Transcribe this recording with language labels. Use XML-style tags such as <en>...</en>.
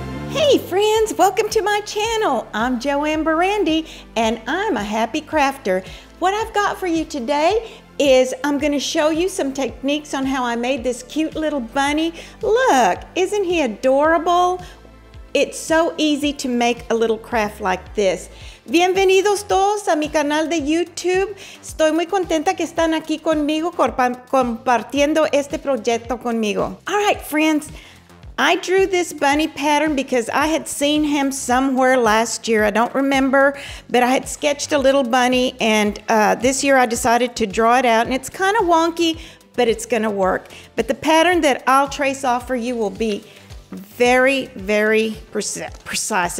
<en>Hey friends, welcome to my channel. I'm JoAnn Barrandey and I'm a happy crafter. What I've got for you today is I'm going to show you some techniques on how I made this cute little bunny. Look, isn't he adorable? It's so easy to make a little craft like this.</en> <es>Bienvenidos todos a mi canal de YouTube. Estoy muy contenta que están aquí conmigo compartiendo este proyecto conmigo.</es> <en>All right, friends. I drew this bunny pattern because I had seen him somewhere last year. I don't remember, but I had sketched a little bunny, and this year I decided to draw it out. And it's kind of wonky, but it's going to work. But the pattern that I'll trace off for you will be very, very precise.</en>